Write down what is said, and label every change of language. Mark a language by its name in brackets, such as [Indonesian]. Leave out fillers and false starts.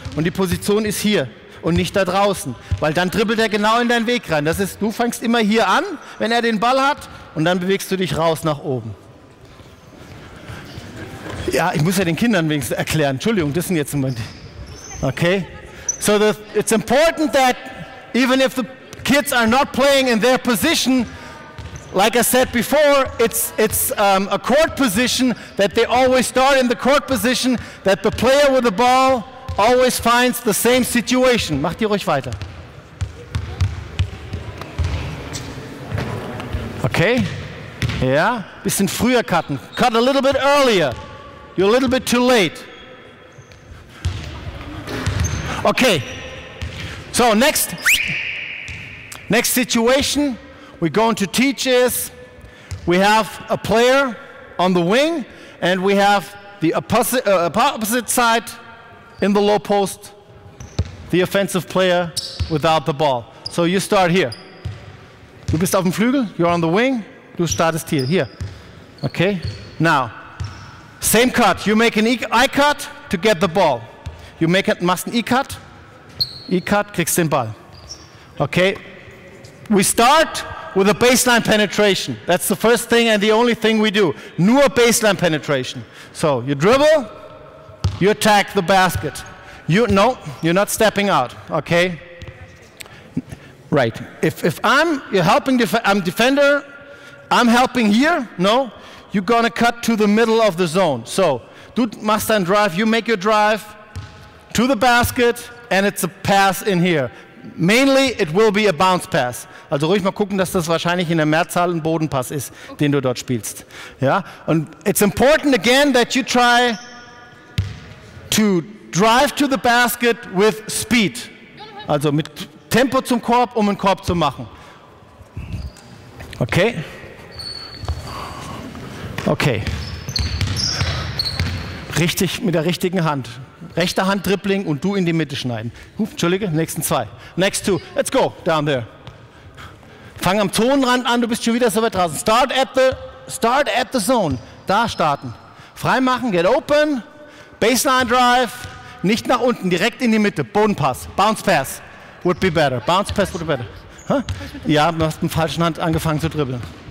[German] Und die Position ist hier und nicht da draußen, weil dann dribbelt er genau in deinen Weg rein. Das ist, du fängst immer hier an, wenn er den Ball hat, und dann bewegst du dich raus nach oben. Ja, ich muss ja den Kindern wenigstens erklären. Entschuldigung, das sind jetzt immer die. Okay. [English] So it's important that even if the kids are not playing in their position, like I said before, it's a court position, that they always start in the court position, that the player with the ball always finds the same situation. [German] Macht ihr ruhig weiter. Okay. Yeah. Bisschen früher cutten. [English] Cut a little bit earlier. You're a little bit too late. Okay. So next situation we're going to teach is, we have a player on the wing and we have the opposite side in the low post, the offensive player without the ball. So you start here. [German] Du bist auf dem Flügel, [English] you're on the wing, [German] du startest hier, [English] here. Okay, now, same cut. You make an I-cut to get the ball. You make it, [German] machst an E-cut. [English] E-cut, [German] kriegst den Ball. [English] Okay, we start with a baseline penetration. That's the first thing and the only thing we do. Nur baseline penetration. So you dribble, you attack the basket. You're not stepping out, okay? Right. If I'm defender, I'm helping here, no? You're gonna cut to the middle of the zone. So [German] du machst deinen drive, [English] you make your drive to the basket and it's a pass in here. Mainly it will be a bounce pass. [German] Also ruhig mal gucken, dass das wahrscheinlich in der Mehrzahl ein Bodenpass ist, den du dort spielst. Ja? [English] And it's important again that you try to drive to the basket with speed. [German] Also mit Tempo zum Korb, um einen Korb zu machen. Okay? Okay. Richtig, mit der richtigen Hand. Rechte Hand Dribbling und du in die Mitte schneiden. Entschuldige, nächsten zwei. [English] Next two. Let's go down there. [German] Fang am Zonenrand an, du bist schon wieder so weit draußen. [English] Start at the zone. [German] Da starten. Frei machen, [English] get open. Baseline drive. [German] Nicht nach unten, direkt in die Mitte. Bodenpass. [English] Bounce pass would be better. Bounce pass would be better. Huh? [German] Ja, du hast mit der falschen Hand angefangen zu dribbeln.